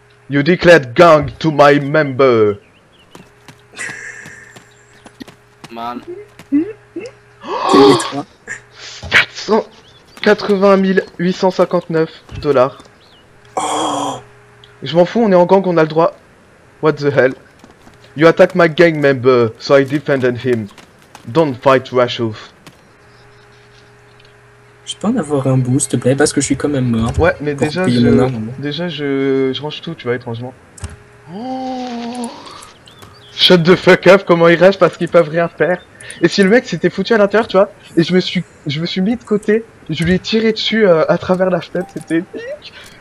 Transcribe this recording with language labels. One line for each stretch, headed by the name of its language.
English: You declared gang to my member. Man.
French: T'as eu les trois. 480 859 dollars. Oh. Je m'en fous, on est en gang, on a le droit.
English: What the hell? You attack my gang member, so I defended him. Don't fight Rashouf.
French: Je peux en avoir un boost, s'il te plaît, parce que je suis quand même mort. Ouais, mais déjà, je range tout, tu vois, étrangement. Oh.
English: Shut the fuck up,
French: comment ils rushent parce qu'ils peuvent rien faire. Et si le mec s'était foutu à l'intérieur, tu vois, et je me suis mis de côté, je lui ai tiré dessus à travers la fenêtre, c'était épique.